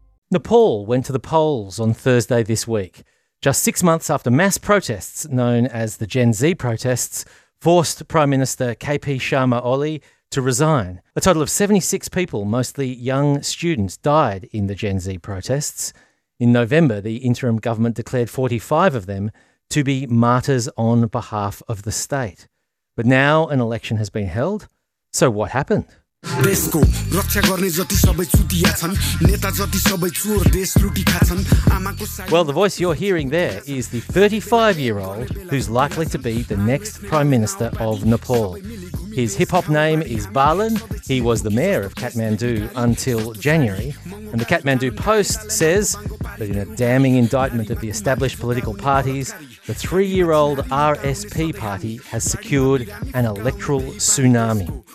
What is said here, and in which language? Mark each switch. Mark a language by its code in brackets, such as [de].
[en] Nepal went to the polls on Thursday this week, just 6 months after mass protests known as the Gen Z protests forced Prime Minister KP Sharma Oli to resign. A total of 76 people, mostly young students, died in the Gen Z protests. In November, the interim government declared 45 of them to be martyrs on behalf of the state. But now an election has been held. So what happened? [ne] देशको रक्षा गर्ने जति सबै चुतिया छन् नेता जति सबै चोर देश लुटी खान्छन् आमाको साथ. [en] Well, the voice you're hearing there is the 35-year-old who's likely to be the next prime minister of Nepal. His hip-hop name is Balan. He was the mayor of Kathmandu until January. And the Kathmandu Post says that in a damning indictment of the established political parties, the three-year-old RSP party has secured an electoral tsunami.